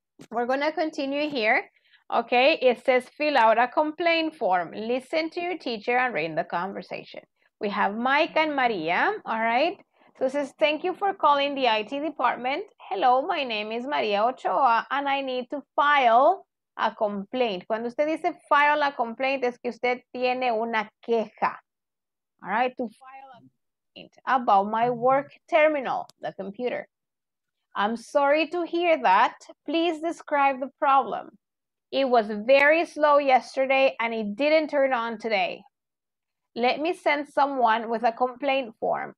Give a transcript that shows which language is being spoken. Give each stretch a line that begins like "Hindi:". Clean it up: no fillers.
English: We're going to continue here. Okay. It says fill out a complaint form. Listen to your teacher and read the conversation. We have Mike and Maria. All right. So it says, thank you for calling the IT department. Hello, my name is Maria Ochoa and I need to file a complaint.
Spanish: Cuando usted dice
English: file a complaint,
Spanish: es que usted tiene una queja.
English: All right, to file a complaint about my work terminal, the computer. I'm sorry to hear that. Please describe the problem. It was very slow yesterday and it didn't turn on today. Let me send someone with a complaint form.